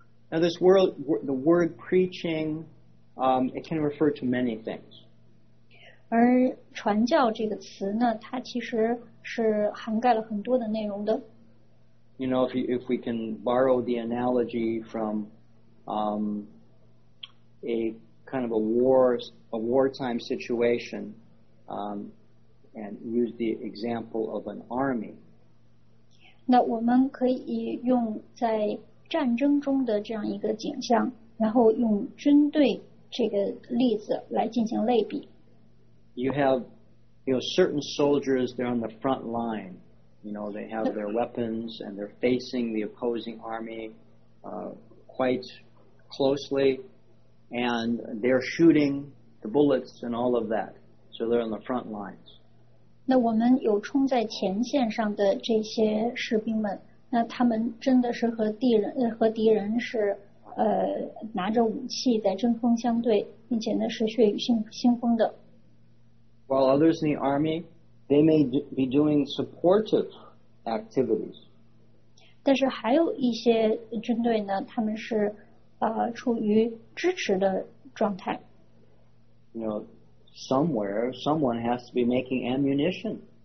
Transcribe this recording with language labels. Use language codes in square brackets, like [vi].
[en] Now this world, the word preaching, it can refer to many things. [zh] 而传教这个词呢，它其实是涵盖了很多的内容的。 [en] You know, if we can borrow the analogy from a kind of a wartime situation, and use the example of an army. [zh] 那我们可以用在战争中的这样一个景象，然后用军队这个例子来进行类比。 [en] You have, you know, certain soldiers, they're on the front line. You know, they have their weapons and they're facing the opposing army, quite closely. And they're shooting the bullets and all of that. So they're on the front lines. [zh] 那我们有冲在前线上的这些士兵们，那他们真的是和敌人是拿着武器在针锋相对，并且呢是血雨腥风的。 [en] While others in the army, they may be doing supportive activities. [zh] 但是还有一些军队呢，他们是处于支持的状态。 [en] You know, somewhere, someone has to be making ammunition.